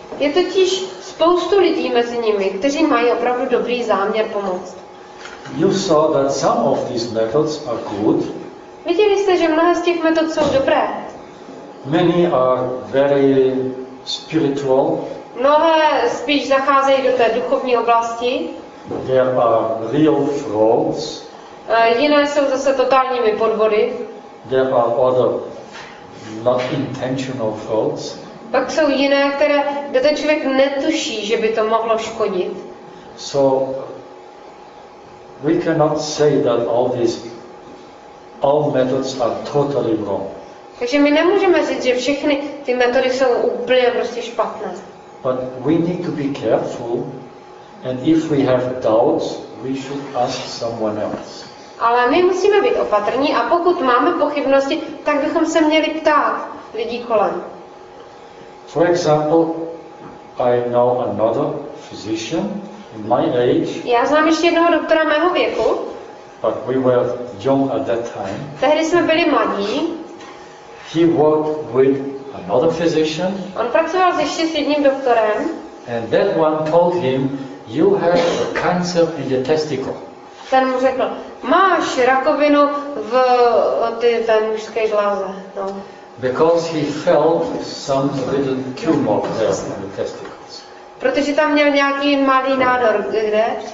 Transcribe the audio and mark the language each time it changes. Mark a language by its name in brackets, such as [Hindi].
[Czech] Je totiž spoustu lidí mezi nimi, kteří mají opravdu dobrý záměr pomoct. [English] You saw that some of these methods are good. [Czech] Viděli jste, že mnohé z těch metod jsou dobré. [English] Many are very spiritual. [Czech] Mnohé spíš zacházejí do té duchovní oblasti. [English] There are real frauds. [Czech] Jiné jsou zase totálními podvody. [English] There are other not intentional frauds. [Czech] Pak jsou jiné, které ten člověk netuší, že by to mohlo škodit. [English] So we cannot say that all these all methods are totally wrong. [Czech] Takže my nemůžeme říct, že všechny ty metody jsou úplně prostě špatné. [English] But we need to be careful, and if we have doubts, we should ask someone else. [Czech] Ale my musíme být opatrní a pokud máme pochybnosti, tak bychom se měli ptát lidí kolem. [English] For example, I know another physician in my age. [Czech] Já znám ještě jednoho doktora mého věku. [English] But we were young at that time. [Czech] Tehdy jsme byli mladí. [English] He worked with another physician. [Czech] On pracoval ještě s jedním doktorem. [English] And that one told him, you have a cancer in your testicle. [Czech] Ten mu řekl, máš rakovinu v té mužské bláze. No. [English] Because he felt some little tumor there in the testicles. [Czech] Protože tam měl nějaký malý nádor, kde?